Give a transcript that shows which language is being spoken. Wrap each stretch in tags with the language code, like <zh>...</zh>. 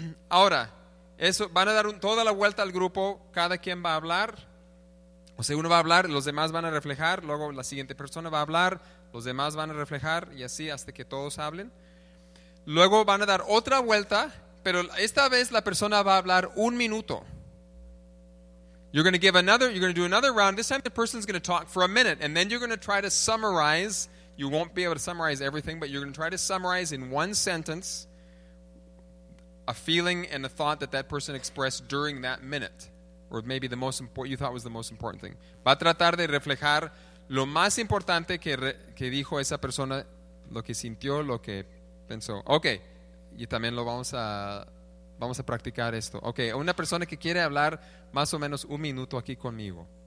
<es>Ahora, eso, van a dar toda la vuelta al grupo, cada quien va a hablar. O sea, uno va a hablar, los demás van a reflejar, luego la siguiente persona va a hablar. Los demás van a reflejar y así hasta que todos hablen. Luego van a dar otra vuelta, pero esta vez la persona va a hablar un minuto.</es> <en>You're going to give another, you're going to do another round. This time the person's going to talk for a minute and then you're going to try to summarize. You won't be able to summarize everything, but you're going to try to summarize in one sentence a feeling and a thought that that person expressed during that minute or maybe the most important you thought was the most important thing.</en> <es>Va a tratar de reflejar lo más importante que dijo esa persona, lo que sintió, lo que pensó. Okay, y también lo vamos a practicar esto. Okay, una persona que quiere hablar más o menos un minuto aquí conmigo.</es>